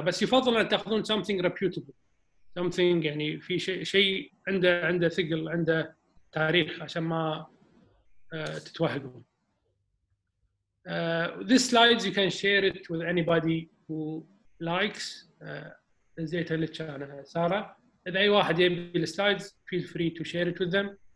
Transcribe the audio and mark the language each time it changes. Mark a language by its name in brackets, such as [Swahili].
[Arabic] بس يفضل أن تأخذون [English] something reputable، something [Arabic] يعني في شيء عنده ثقل، عنده تاريخ، عشان ما تتوهقون. [English] These slides you can share it with anybody who likes. [Arabic] نزيت لك أنا سارة، إذا أي واحد يبي السلايدز [English] feel free to share it with them.